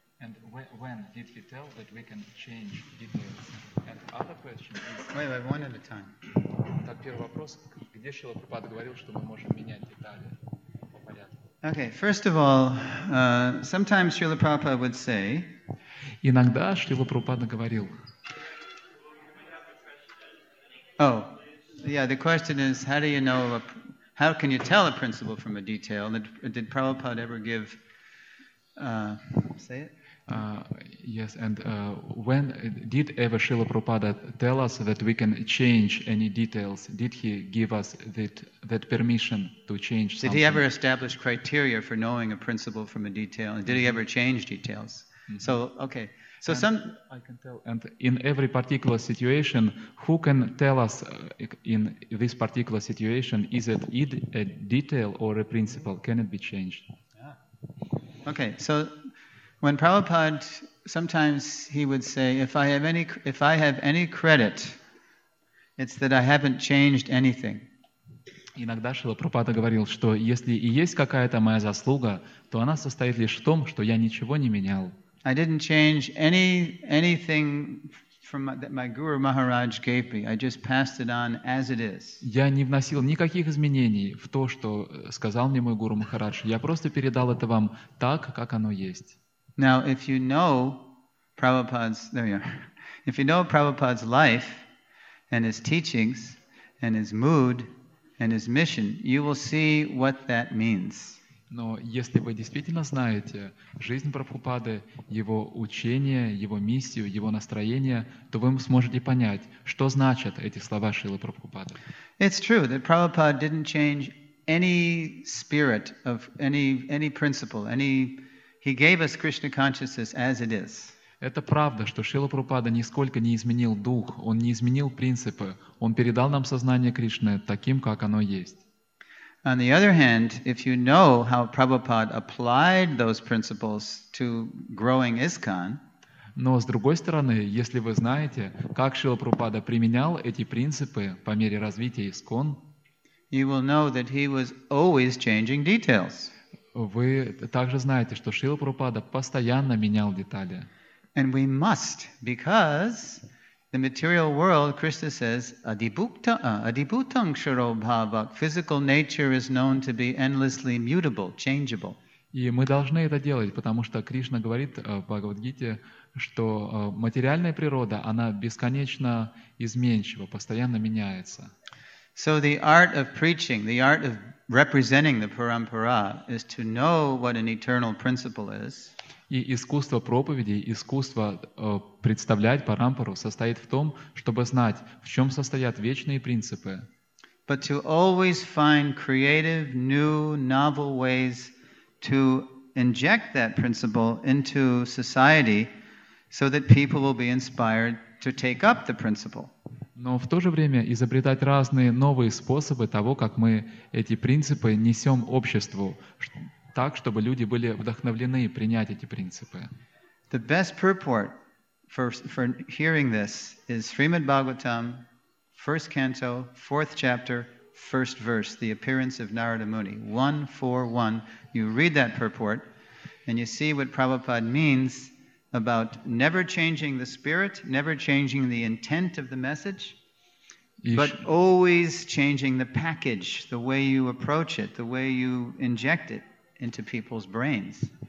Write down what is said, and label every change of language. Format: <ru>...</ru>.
<en>And when did he tell that we can change details? And other question is... Wait, one at a time.</en> <ru>Так, первый вопрос. Где Шрила Прабхупада говорил, что мы можем менять детали?</ru> <en>Okay, first of all, sometimes Srila Prabhupada would say...</en> <ru>Иногда Шрила Прабхупада говорил...</ru> <en>Oh... Yeah, the question is, how do you know, how can you tell a principle from a detail? Did Prabhupada ever give, say it? Yes, and when did ever Srila Prabhupada tell us that we can change any details? Did he give us that permission to change something? Did he ever establish criteria for knowing a principle from a detail? And did he ever change details? Mm-hmm. So, okay. So some I can tell, and in every particular situation, who can tell us in this particular situation, is it a detail or a principle? Can it be changed? Yeah. Okay, so when Prabhupada, sometimes he would say, if I have any credit, it's that I haven't changed anything.</en> <ru>Иногда Шрила Прабхупада говорил, что если и есть какая-то моя заслуга, то она состоит лишь в том, что я ничего не менял.</ru> <en>I didn't change anything from that my Guru Maharaj gave me. I just passed it on as it is.</en> <ru>Я не вносил никаких изменений в то, что сказал мне мой Гуру Махарадж. Я просто передал это вам так, как оно есть.</ru> <en>Now, if you know Prabhupada's, there you are. If you know Prabhupada's life and his teachings and his mood and his mission, you will see what that means.</en> <ru>Но если вы действительно знаете жизнь Прабхупады, его учение, его миссию, его настроение, то вы сможете понять, что значат эти слова Шрилы Прабхупады.</ru> <en>It's true that Prabhupada didn't change any spirit of any principle. He gave us Krishna consciousness as it is.</en> <ru>Это правда, что Шрила Прабхупада нисколько не изменил дух, он не изменил принципы, он передал нам сознание Кришны таким, как оно есть.</ru> <en>On the other hand, if you know how Prabhupada applied those principles to growing ISKCON,</en> <ru>но с другой стороны, если вы знаете, как Шрила Прабхупада применял эти принципы по мере развития ISKCON,</ru> <en>you will know that he was always changing details.</en> <ru>Вы также знаете, что Шрила Прабхупада постоянно менял детали.</ru> <en>And we must, because the material world, Krishna says, adibhutam kshuro bhavak. Physical nature is known to be endlessly mutable, changeable.</en> <ru>И мы должны это делать, потому что Кришна говорит в Бхагавад-гите, что материальная природа, она бесконечно изменчива, постоянно меняется.</ru> <en>So the art of preaching, the art of representing the parampara is to know what an eternal principle is.</en> <ru>И искусство проповеди, искусство представлять парампару состоит в том, чтобы знать, в чем состоят вечные принципы.</ru> <en>But to always find creative, new, novel ways to inject that principle into society so that people will be inspired to take up the principle.</en> <ru>Но в то же время изобретать разные новые способы того, как мы эти принципы несем обществу, так, чтобы люди были вдохновлены принять эти принципы.</ru> <en>The best purport for hearing this is Srimad Bhagavatam, first canto, fourth chapter, first verse, the appearance of Narada Muni, 1:4:1. You read that purport, and you see what Prabhupada means about never changing the spirit, never changing the intent of the message, but always changing the package, the way you approach it, the way you inject it into people's brains.</en>